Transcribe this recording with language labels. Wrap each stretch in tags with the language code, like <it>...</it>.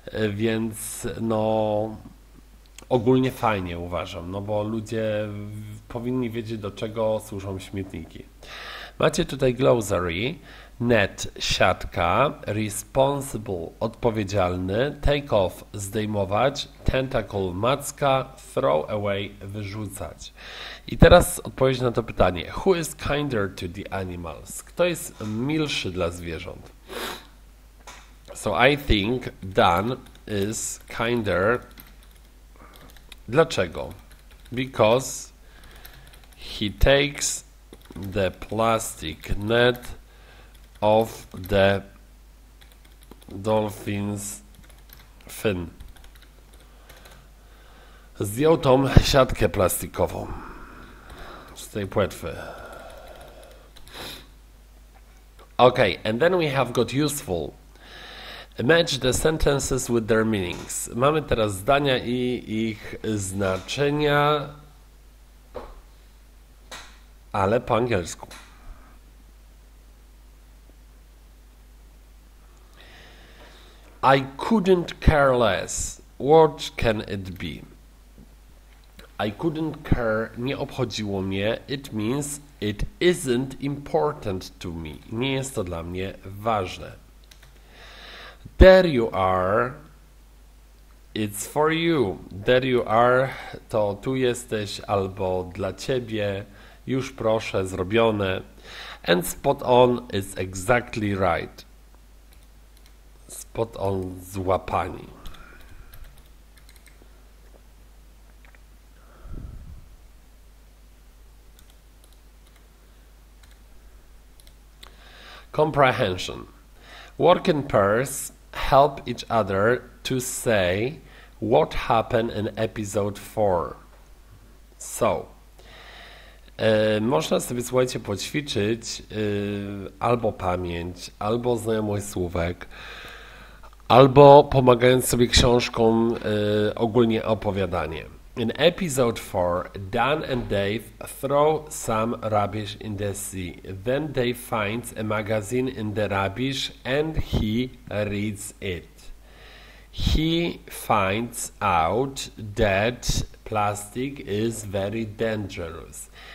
<pl>Więc no, ogólnie fajnie uważam, no bo ludzie powinni wiedzieć, do czego służą śmietniki. Macie tutaj glossary, net, siatka, responsible, odpowiedzialny, take off, zdejmować, tentacle, macka, throw away, wyrzucać. I teraz odpowiedź na to pytanie.</pl> <en>Who is kinder to the animals?</en> <pl>Kto jest milszy dla zwierząt?</pl> <en>So I think Dan is kinder.</en> <pl>Dlaczego?</pl> <en>Because he takes the plastic net off the dolphin's fin.</en> <pl>Zdjął tą siatkę plastikową z tej płetwy.</pl> <en>Okay, and then we have got useful. Match the sentences with their meanings.</en> <pl>Mamy teraz zdania i ich znaczenia. ale po angielsku.</pl> <en>I couldn't care less. What can it be? I couldn't care,</en> <pl>nie obchodziło mnie.</pl> <en>It means it isn't important to me.</en> <pl>Nie jest to dla mnie ważne.</pl> <en>There you are. It's for you. There you are.</en> <pl>To tu jesteś albo dla ciebie. Już proszę, zrobione.</pl> <en>And spot on is exactly right. Spot on, złapani. Comprehension. Work in pairs. Help each other to say what happened in episode 4.</en> <pl>So, można sobie, słuchajcie, poćwiczyć albo pamięć, albo znajomość słówek, albo pomagając sobie książką, ogólnie opowiadanie.</pl> <en>In episode 4, Dan and Dave throw some rubbish in the sea. Then Dave finds a magazine in the rubbish and he reads it. He finds out that plastic is very dangerous.</en>